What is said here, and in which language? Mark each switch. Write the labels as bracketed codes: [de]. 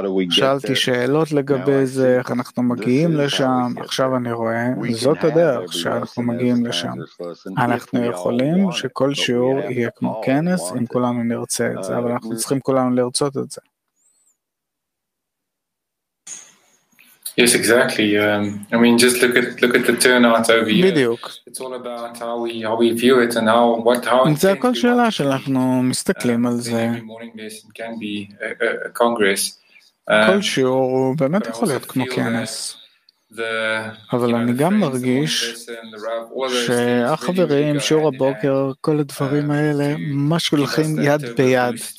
[he] שאלתי שאלות לגבי זה, איך אנחנו מגיעים לשם, עכשיו אני רואה, זאת הדרך שאנחנו מגיעים לשם. אנחנו יכולים שכל שיעור יהיה כמו כנס, אם כולנו נרצה את זה, אבל אנחנו צריכים כולנו לרצות את זה. [en] Yes, exactly. I mean, just look at the turnout over here. [he] בדיוק. [en] It's all about how we view it and how what how. [he] זה הכל שאלה שאנחנו מסתכלים על זה. כל שיעור הוא באמת יכול להיות כמו כנס. אבל אני גם מרגיש שהחברים, שיעור הבוקר, כל הדברים האלה, משהו הולכים יד ביד.